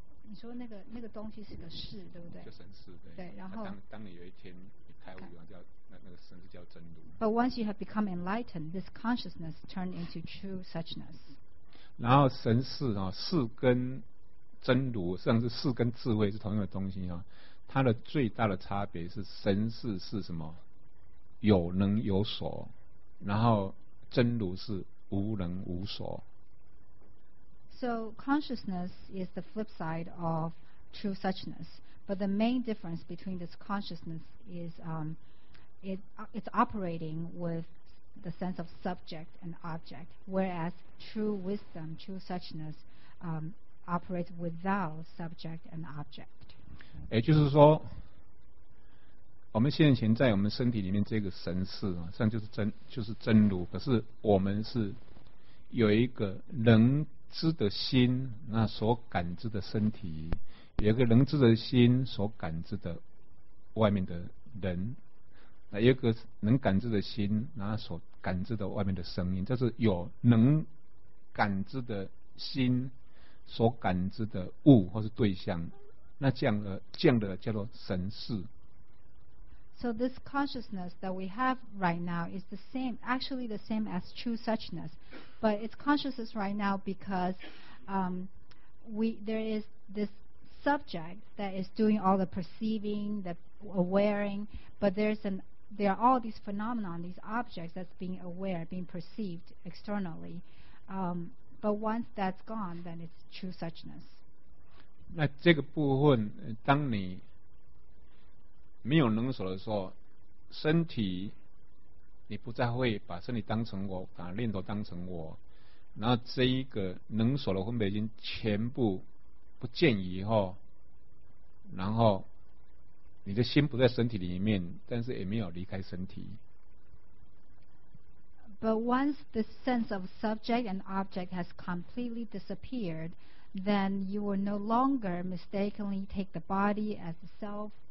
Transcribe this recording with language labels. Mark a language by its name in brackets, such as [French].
[Chinese] 你说那个东西是个事，对不对？就神事，对。然后当你有一天一开悟，那个神事叫真如。 [English] But once you have become enlightened, this consciousness turned into true suchness. [Chinese] 然后神事啊，事跟真如，实际上是事跟智慧是同样的东西啊。它的最大的差别是神事是什么？有能有所，然后真如是无能无所。 [English] So consciousness is the flip side of true suchness. But the main difference between this consciousness is it's operating with the sense of subject and object, whereas true wisdom, true suchness, operates without subject and object. [Chinese] 也就是说，我们现前在我们身体里面这个神识啊，这样就是真如。可是我们是有一个能知的心，那所感知的身体，有一个能知的心所感知的外面的人，那有一个能感知的心，那所感知的外面的声音，就是有能感知的心所感知的物或是对象，那这样的叫做神识。 [English] So this consciousness that we have right now is the same, actually the same as true suchness, but it's consciousness right now because there is this subject that is doing all the perceiving, the awareing, but there are all these phenomena, these objects that's being aware, being perceived externally. But once that's gone, then it's true suchness. [Chinese] 那这个部分，当你没有能所的时候，身体你不再会把身体当成我，把念头当成我，然后这一个能所的分别心全部不见以后，然后你的心不在身体里面，但是也没有离开身体。 [English] But once the sense of subject and object has completely disappeared, then you will no longer mistakenly take the body as the self.